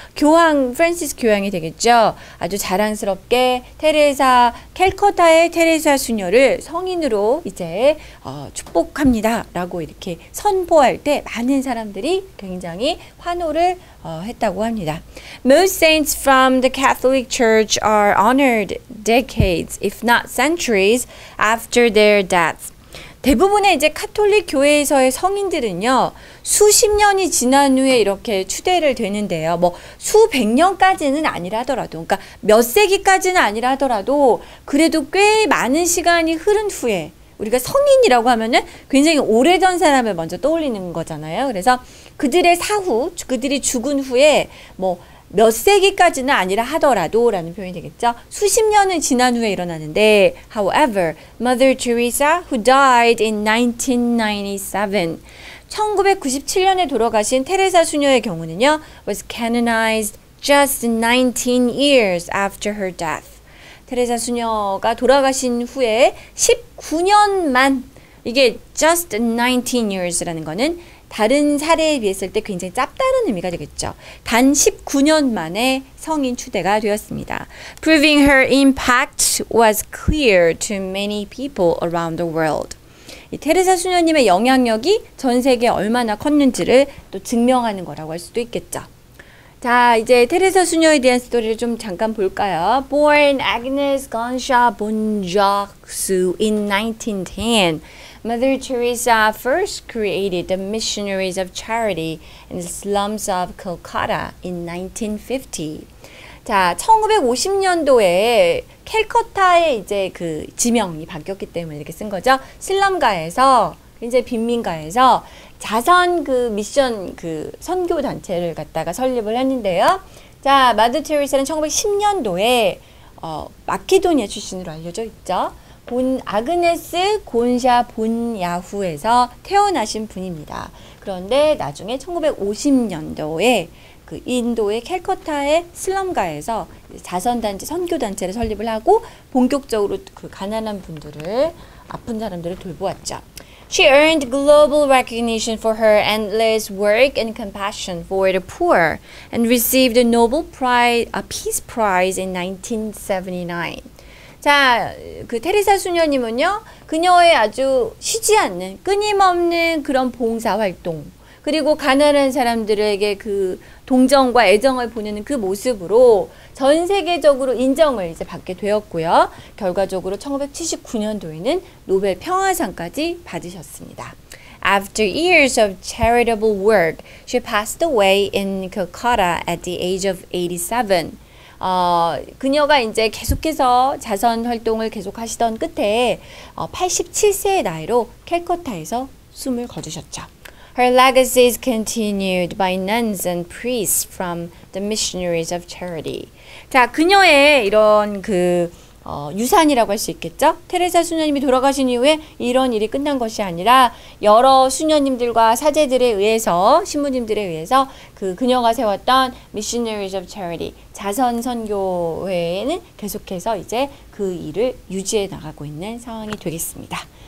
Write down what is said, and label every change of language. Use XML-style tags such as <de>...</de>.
<ko>교황, 프란시스 교황이 되겠죠. 아주 자랑스럽게 테레사, 캘커타의 테레사 수녀를 성인으로 이제 축복합니다. 라고 이렇게 선포할 때 많은 사람들이 굉장히 환호를 했다고 합니다.</ko> <en>Most saints from the Catholic Church are honored decades, if not centuries, after their deaths.</en> <ko>대부분의 이제 카톨릭 교회에서의 성인들은요, 수십 년이 지난 후에 이렇게 추대를 되는데요. 뭐, 수백 년까지는 아니라더라도, 그러니까 몇 세기까지는 아니라더라도, 그래도 꽤 많은 시간이 흐른 후에, 우리가 성인이라고 하면은 굉장히 오래전 사람을 먼저 떠올리는 거잖아요. 그래서 그들의 사후, 그들이 죽은 후에, 뭐, 몇 세기까지는 아니라 하더라도 라는 표현이 되겠죠. 수십 년은 지난 후에 일어나는데</ko> <en>However, Mother Teresa who died in 1997</en> <ko>1997년에 돌아가신 테레사 수녀의 경우는요</ko> <en>was canonized just 19 years after her death.</en> <ko>테레사 수녀가 돌아가신 후에 19년만 이게</ko> <en>just 19 years</en> <ko>라는 거는 다른 사례에 비했을 때 굉장히 짧다는 의미가 되겠죠. 단 19년 만에 성인 추대가 되었습니다.</ko> <en>Proving her impact was clear to many people around the world.</en> <ko>이 테레사 수녀님의 영향력이 전 세계에 얼마나 컸는지를 또 증명하는 거라고 할 수도 있겠죠. 자, 이제 테레사 수녀에 대한 스토리를 좀 잠깐 볼까요?</ko> <en>Born Agnes Gonsha Bunjaksu in 1910. Mother Teresa first created the Missionaries of Charity in the slums of Calcutta in 1950.</en> <ko>1950년도에 캘커타의 이제 그 지명이 바뀌었기 때문에 이렇게 쓴 거죠. 슬럼가에서 이제 빈민가에서 자선 그 미션 그 선교 단체를 갖다가 설립을 했는데요. 자, 마더 테레사는 1910년도에 마케도니아 출신으로 알려져 있죠. 본 아그네스 곤샤 본야후에서 태어나신 분입니다. 그런데 나중에 1950년도에 그 인도의 캘커타의 슬럼가에서 자선단체, 선교단체를 설립을 하고 본격적으로 그 가난한 분들을, 아픈 사람들을 돌보았죠.</ko> <en>She earned global recognition for her endless work and compassion for the poor and received a Nobel Prize, a Peace Prize in 1979.</en> <ko>자, 그 테레사 수녀님은요, 그녀의 아주 쉬지 않는, 끊임없는 그런 봉사활동, 그리고 가난한 사람들에게 그 동정과 애정을 보내는 그 모습으로 전 세계적으로 인정을 이제 받게 되었고요. 결과적으로 1979년도에는 노벨 평화상까지 받으셨습니다.</ko> <en>After years of charitable work, she passed away in Calcutta at the age of 87.</en> <ko>그녀가 이제 계속해서 자선 활동을 계속하시던 끝에 87세의 나이로 캘커타에서 숨을 거두셨죠.</ko> <en>Her legacy is continued by nuns and priests from the missionaries of charity.</en> <ko>자, 그녀의 이런 그 유산이라고 할 수 있겠죠? 테레사 수녀님이 돌아가신 이후에 이런 일이 끝난 것이 아니라 여러 수녀님들과 사제들에 의해서, 신부님들에 의해서 그녀가 세웠던 missionaries of charity, 자선 선교회에는 계속해서 이제 그 일을 유지해 나가고 있는 상황이 되겠습니다.</ko>